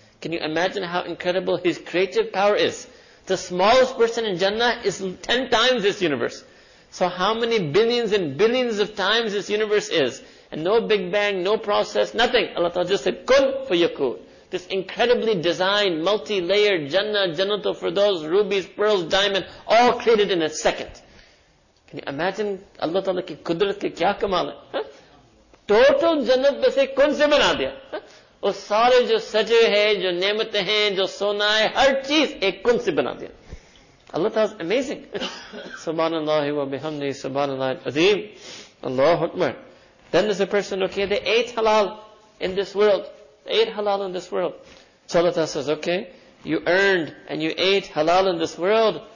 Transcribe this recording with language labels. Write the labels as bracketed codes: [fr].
[en] Can you imagine how incredible His creative power is? The smallest person in Jannah is 10 times this universe. So how many billions and billions of times this universe is? And no Big Bang, no process, nothing. Allah Ta'ala just said, kun fayakun. This incredibly designed, multi-layered Jannah, Jannatul Firdaus, rubies, pearls, diamond, all created in a second. Can you imagine [ur] اللہ تعالیٰ کی قدرت کی کیا کمال ہے؟ Total جنت میں سے کن سے بنا دیا؟ اس سارے جو سجے ہے، جو نعمت ہے، جو سونا ہے، ہر چیز ایک کن سے بنا دیا. [en] Allah Ta'ala is amazing. [ar] Subhanallah wa bihamdi, subhanallah azim. Allahu Akbar. [en] Then there's a person, okay, they ate halal in this world. They ate halal in this world. So Allah Ta'ala says, okay, you earned and you ate halal in this world.